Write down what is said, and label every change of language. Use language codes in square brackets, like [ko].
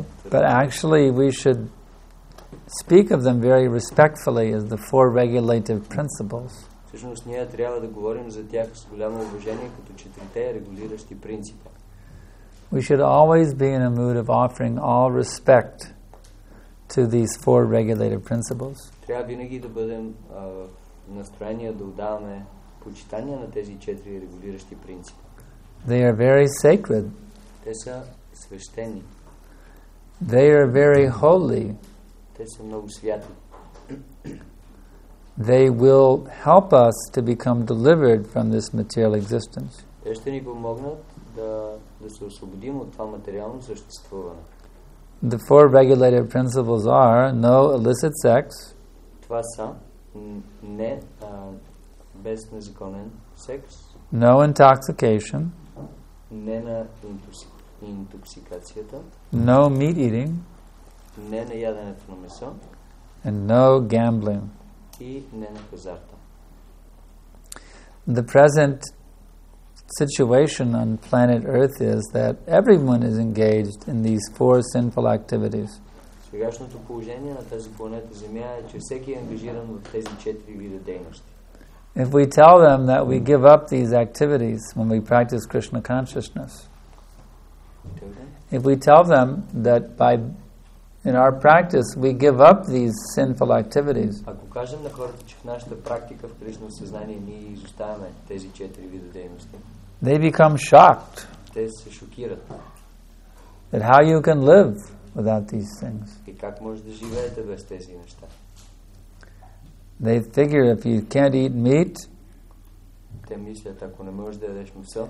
[en] But actually, we should speak of them very respectfully as the four regulative principles. [bg] Всъщност, ние трябва да говорим за тях с голямо уважение като четирите регулиращи принципа. [en] We should always be in a mood of offering all respect to these four regulative principles. [bg] Трябва винаги да бъдем настроение да отдаваме почитание на тези четири регулиращи принципа. [en] They are very sacred. [bg] Те са свещени. [en] They are very holy. [bg] Те са много святи. [en] They will help us to become delivered from this material existence. [bg] Те ще ни помогнат да се освободим от това материално съществуване. [en] The four regulative principles are no illicit sex. [bg] Това са не без незаконен секс. [en] No intoxication. [bg] Не на интоксикация. Intoxicacията. [en] No meat eating. [bg] Не на яденето на месо. [en] And no gambling. [bg] И не на хазарта. [en] The present situation on planet Earth is that everyone is engaged in these four sinful activities. [bg] Сегашното положение на тази планета Земя е, че всеки е ангажиран в тези четири вида дейности. [en] If we tell them that we give up these activities when we practice Krishna consciousness, if we tell them that in our practice we give up these sinful activities, [bg] ако кажем на хората, че в нашата практика в Кришна съзнание ние изоставяме тези четири вида дейности, [en] they become shocked. [bg] Те се шокират. [en] That how you can live without these things. [bg] И как може да живеете без тези неща? [en] They figure if you can't eat meat, [bg] те мислят, ако не можеш да ядеш месо,